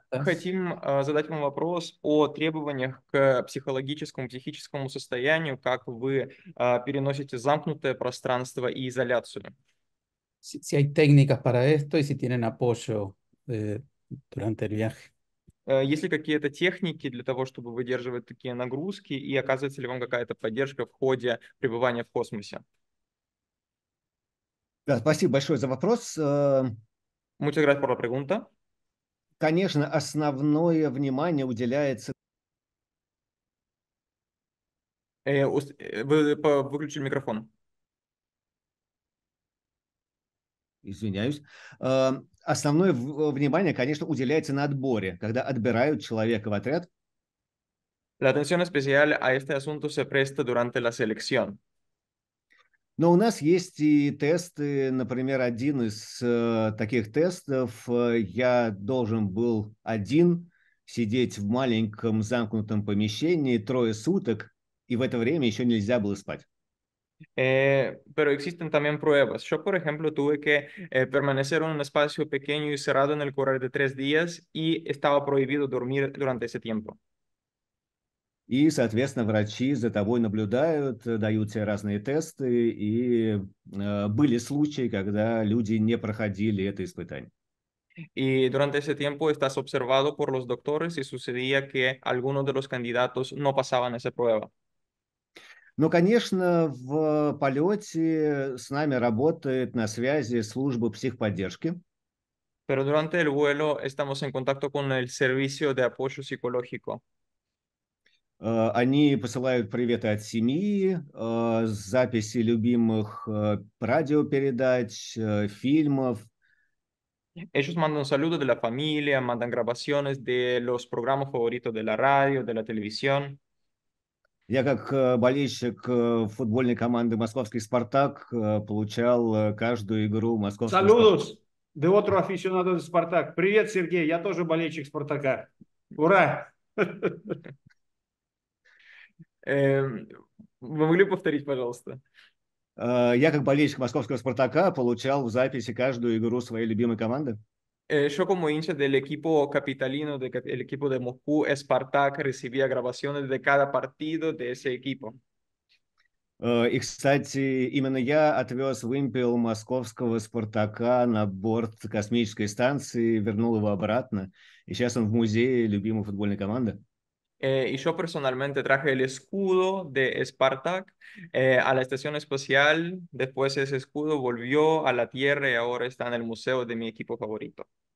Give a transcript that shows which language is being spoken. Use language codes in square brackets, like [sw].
[ru] Хотим задать вам вопрос о требованиях к психологическому, психическому состоянию, как вы переносите замкнутое пространство и изоляцию. [es] Si hay técnicas para esto y si tienen apoyo durante el viaje. [ru] Есть ли какие-то техники для того, чтобы выдерживать такие нагрузки и оказывается ли вам какая-то поддержка в ходе пребывания в космосе? Да, спасибо большое за вопрос. [es] Muchas gracias por la pregunta. [ru] Конечно, основное внимание уделяется... Вы выключили микрофон. Извиняюсь. Основное внимание, конечно, уделяется на отборе, когда отбирают человека в отряд. [es] La atención especial a este asunto se presta durante la selección. [ru] Но у нас есть и тесты, например, один из таких тестов. Я должен был один сидеть в маленьком замкнутом помещении 3 суток, и в это время еще нельзя было спать. [es] Pero existen también pruebas. Yo, por ejemplo, tuve que permanecer en un espacio pequeño y cerrado en el corral de 3 días, y estaba prohibido dormir durante ese tiempo. [ru] И, соответственно, врачи за тобой наблюдают, дают тебе разные тесты, и были случаи, когда люди не проходили это испытание. И [es] durante ese tiempo estás observado por los doctores y sucedía que algunos de los candidatos no pasaban esa prueba. [ru] Но, конечно, в полете с нами работает на связи служба психподдержки. [es] Pero durante el vuelo estamos en contacto con el servicio de apoyo psicológico. [ru] Они посылают приветы от семьи, записи любимых радиопередач, фильмов. [es] Ellos mandan saludos de la familia, mandan grabaciones de los programas favoritos de la radio, de la televisión. [ru] Я как болельщик футбольной команды «Московский Спартак» получал каждую игру «Московского [es] Спартака». Saludos. De otro aficionado de Spartak. [ru] Привет, Сергей, я тоже болельщик Спартака. Ура! Вы могли повторить, пожалуйста? Я как болельщик московского Спартака получал в записи каждую игру своей любимой команды. [es] Yo como hincha del equipo capitalino, del equipo de Moscú, Spartak, recibía grabaciones de cada partido de ese equipo. [ru] И, кстати, именно я отвез вымпел московского Спартака на борт космической станции, вернул его обратно. И сейчас он в музее любимой футбольной команды. И [es] yo personalmente traje el escudo de Spartak a la estación espacial. Después ese escudo volvió a la Tierra y ahora está en el museo de mi equipo favorito.